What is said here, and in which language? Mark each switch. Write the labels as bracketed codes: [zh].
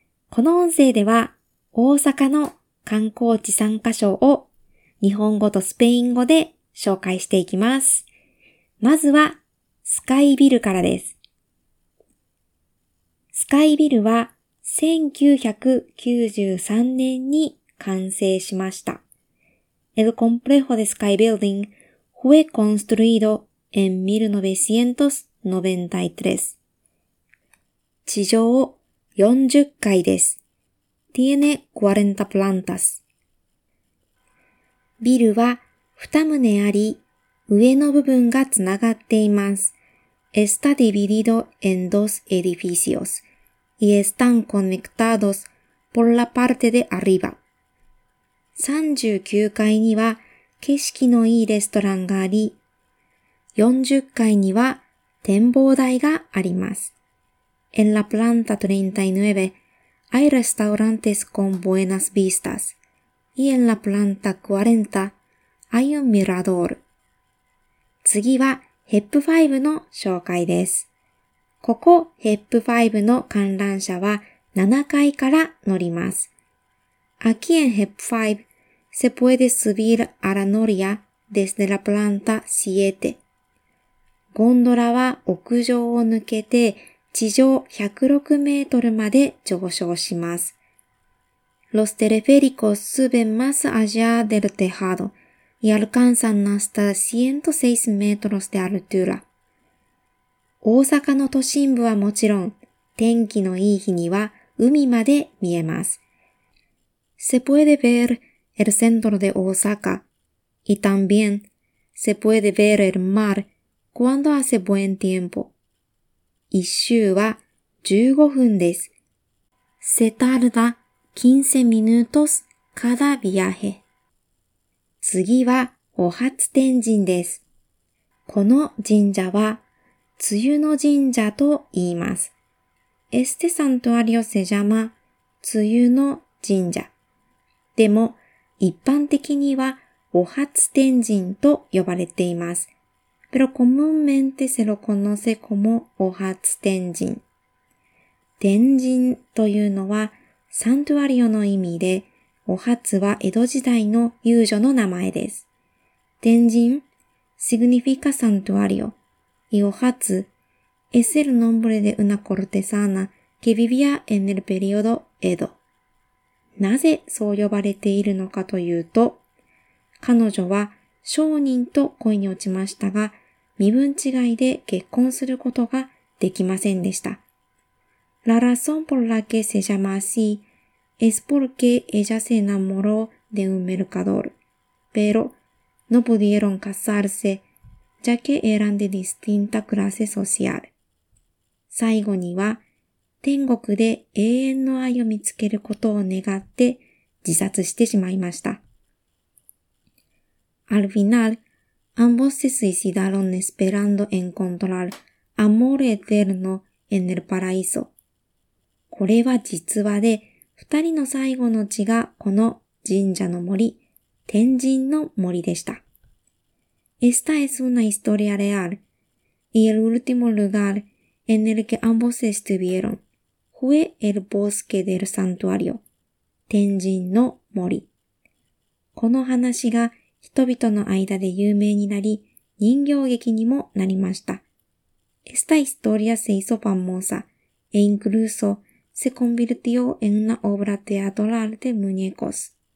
[ja] この音声では大阪の観光地3カ所を日本語とスペイン語で紹介していきます。まずはスカイビルからです。スカイビルは1993年に完成しました。 [es] El complejo de Sky Building fue construido en 1993. [ja] 地上40階です。 Tiene 40 plantas。ビルは2棟あり、上の部分がつながっています。 [es] Está dividido en dos edificios y están conectados por la parte de arriba。 [ja] 39階には景色のいいレストランがあり、40階には展望台があります。 [es] En la planta 39 hay restaurantes con buenas vistas y en la planta 40 hay un mirador. [ja] 次は HEP5 の紹介です。ここ HEP5 の観覧車は7階から乗ります。 [es] Aquí en HEP5 se puede subir a la noria desde la planta 7. [ja] ゴンドラは屋上を抜けて地上106メートルまで上昇します。 [es] Los teleféricos suben más allá del tejado y alcanzan hasta 106 metros de altura. [ja] 大阪の都心部はもちろん、天気のいい日には海まで見えます。 [es] Se puede ver el centro de Osaka y también se puede ver el mar cuando hace buen tiempo. [ja] 一周は15分です。 [es] Se tarda 15 minutos cada viaje. [ja] 次はお初天神です。この神社は梅雨の神社と言います。 [es] Este santuario se llama 梅雨の神社。 [ja] でも一般的にはお初天神と呼ばれています。 [es] Pero comúnmente se lo conoce como Ohatsu Tenjin. [ja] Tenjin というのはサントワリオの意味で、Ohatsu は江戸時代の遊女の名前です。 [es] Tenjin significa santuario y Ohatsu es el nombre de una cortesana que vivía en el periodo Edo. [ja] なぜそう呼ばれているのかというと、彼女は商人と恋に落ちましたが、身分違いで結婚することができませんでした。 [es] La razón por la que se llama así es porque ella se enamoró de un mercador, pero no pudieron casarse, ya que eran de distinta clase social. [ja] 最後には、天国で永遠の愛を見つけることを願って自殺してしまいました。 [es] Al final,Ambos se suicidaron esperando encontrar amor eterno en el paraíso. [ja] これは実話で、二人の最後の地がこの神社の森、天神の森でした。 [es] Esta es una historia real, y el último lugar en el que ambos estuvieron fue el bosque del santuario, 天神の森。 [ja] この話が人々の間で有名になり、人形劇にもなりました。 [es] Esta historia se hizo famosa e incluso se convirtió en una obra teatral de muñecos.